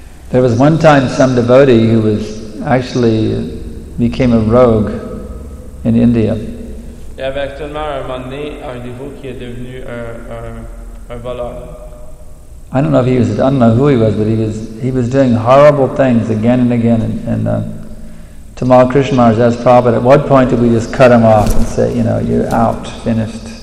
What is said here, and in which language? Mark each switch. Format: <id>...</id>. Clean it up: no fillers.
<en>There was one time some devotee who was actually became a rogue in India.</en> <fr>Il y avait actuellement un moment donné un dévot qui est devenu un voleur.</fr> <en>I don't know if he was, I don't know who he was, but he was doing horrible things again and again. And Tamal Krishna Maharaj asked Prabhupada, at what point did we just cut him off and say, you know, you're out, finished?</en>